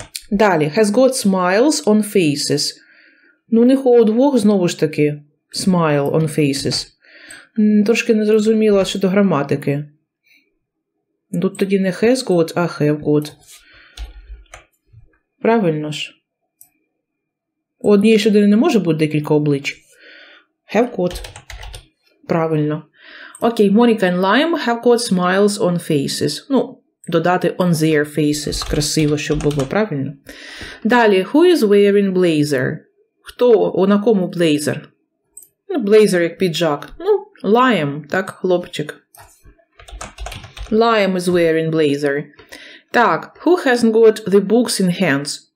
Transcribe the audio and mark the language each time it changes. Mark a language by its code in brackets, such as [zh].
[uk] Далі. [en] Has got smiles on faces. [uk] Ну, у них у двох, знову ж таки, [en] smile on faces. [uk] Трошки не зрозуміла щодо граматики. Тут тоді не [en] has got, [uk] а [en] have got. [uk] Правильно ж. У однієї людини не може бути декілька облич. [en] Have got. [uk] Правильно. [en] Окей, Monica and Liam have got smiles on faces. [uk] Ну, додати [en] on their faces. [uk] Красиво, щоб було, правильно? Далі. [en] Who is wearing blazer? [uk] Хто? О, на кому блейзер? Блейзер як піджак. Ну, Liam, так, хлопчик. [en] Liam is wearing blazer. [uk] Так. [en] Who hasn't got the books in hands?